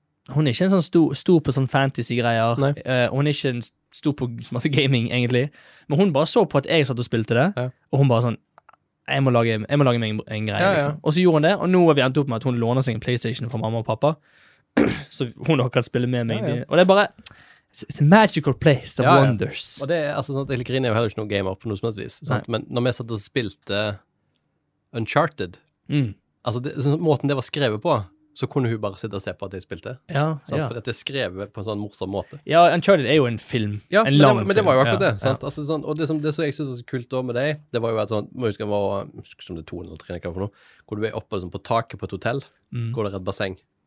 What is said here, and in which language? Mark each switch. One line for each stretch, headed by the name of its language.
Norwegian: Hun er ikke en sånn stor på sånn fantasy-greier. Hun er ikke en stor på masse gaming, egentlig. Men hun bare så på at jeg satt og spilte det, og hun bare sånn, jeg må lage meg en greie, liksom. Og så gjorde hun det, og nå har vi endt opp med at hun låner seg en PlayStation fra mamma og pappa. Så hun har kan spille med meg. Og det er bare,
English: it's a magical place of wonders.
Norwegian: Og det er, altså, sånn, Elikrin er jo heller ikke noen gamer på noe som helst vis. Men når vi satt og spilte Uncharted, altså det, måten det var skrevet på, så kunne hun bare sitte og se på at jeg spilte. Ja, sant? Ja. For at det skrevet på en sånn morsom måte. Ja, Uncharted er jo en film. Ja, en lang film. Men det var jo akkurat det, sant? Ja. Altså, sånn, og det som, det som jeg synes var så kult med deg, det var jo at sånn, må huske om det var, som det er 203, hva for noe, hvor du er oppe sånn, på taket på et hotell, går det rett basseng.